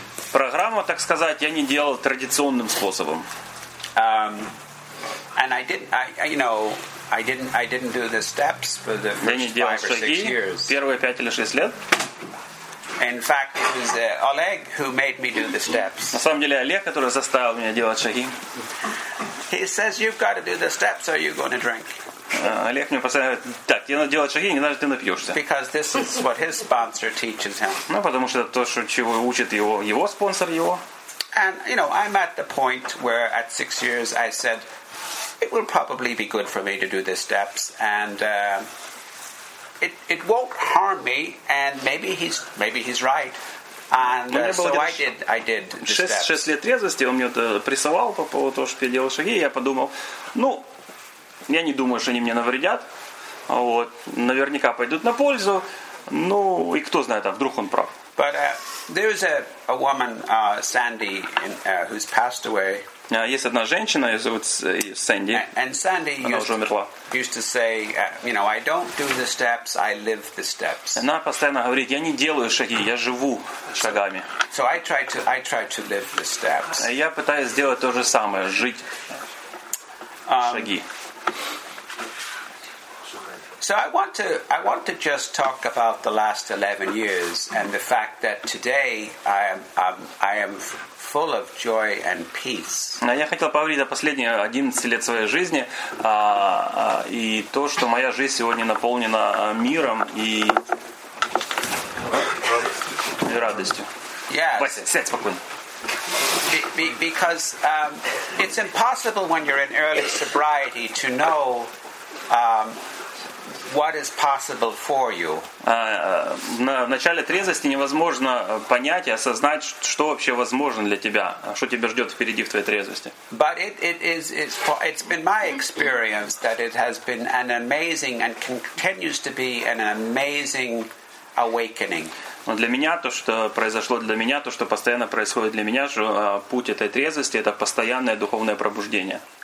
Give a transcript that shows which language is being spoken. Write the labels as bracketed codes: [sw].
[ru] Программа, так сказать, я не делал традиционным способом. [en] And I didn't. I didn't do the steps for the first 5 or 6 years. [ru] Первые 5 или 6 лет. [en] In fact, it was Oleg who made me do the steps. [ru] На самом деле, Олег, который заставил меня делать шаги. [en] He says, "You've got to do the steps, or you're going to drink." [ru] Олег мне постоянно говорит, так, тебе надо делать шаги, иначе ты напьешься. [en] Because this is what his sponsor teaches him. [ru] Ну, потому что это то, чего учит его спонсор его. [en] And you know, I'm at the point where at 6 years I said, "It will probably be good for me to do the steps, and it won't harm me, and maybe he's right." And I did. [ru] 6 лет трезвости он мне прессовал по поводу того, что я делал шаги. И я подумал, ну, я не думаю, что они мне навредят. Вот, наверняка пойдут на пользу. Ну, и кто знает, а вдруг он прав. [en] But there is a woman, Sandy, who's passed away. [ru] Есть одна женщина, ее зовут Сэнди. [en] And Sandy used to say, you know, I don't do the steps, I live the steps. [ru] Она постоянно говорит, я не делаю шаги, я живу шагами. [en] So I try to live the steps. [ru] Я пытаюсь сделать то же самое, жить шаги. [en] So I want to just talk about the last 11 years and the fact that today I am full of joy and peace. [ru] Я хотел поговорить о последние 11 лет своей жизни, и то, что моя жизнь сегодня наполнена миром и радостью. [en] Yes. [ru] Вася, сядь спокойно. [en] Because it's impossible when you're in early sobriety to know what is possible for you. [ru] В начале трезвости невозможно понять и осознать, что вообще возможно для тебя, что тебя ждет впереди в твоей трезвости. [en] But it's been my experience that it has been an amazing and continues to be an amazing awakening. [ru] Но для меня то, что произошло для меня, то, что постоянно происходит для меня, что путь этой трезвости — это постоянное духовное пробуждение.